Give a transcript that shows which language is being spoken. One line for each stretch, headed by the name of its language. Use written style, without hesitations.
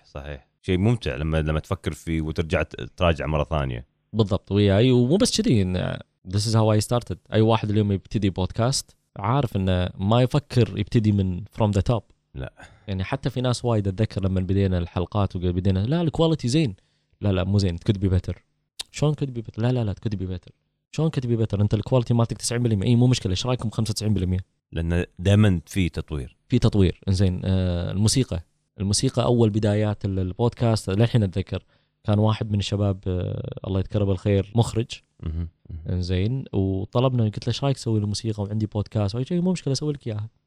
Arabic: صحيح شيء ممتع لما تفكر فيه وترجع تراجع مرة ثانية. بالضبط وياي ومو بس كذي إن
English: this is how I started.
Arabic: أي واحد اليوم يبتدي بودكاست عارف إنه ما يفكر يبتدي من
English: from the top.
Arabic: لا يعني حتى في ناس وايد أتذكر لما بدينا الحلقات وقال بدينا لا الكواليتي زين لا مو زين
English: could be better.
Arabic: شلون
English: could be better؟
Arabic: لا
English: could be better.
Arabic: شلون
English: could be better؟
Arabic: أنت الكواليتي مالتك 90% أي مو مشكلة إيش رأيكم 95%؟ لأن دائما في تطوير. في تطوير. إنزين الموسيقى. الموسيقى أول بدايات البودكاست للحين أتذكر كان واحد من الشباب الله يذكره بالخير مخرج. إنزين وطلبنا قلت له إيش رأيك سوي الموسيقى وعندي بودكاست وأي شيء مو مشكلة أسوي لك إياها.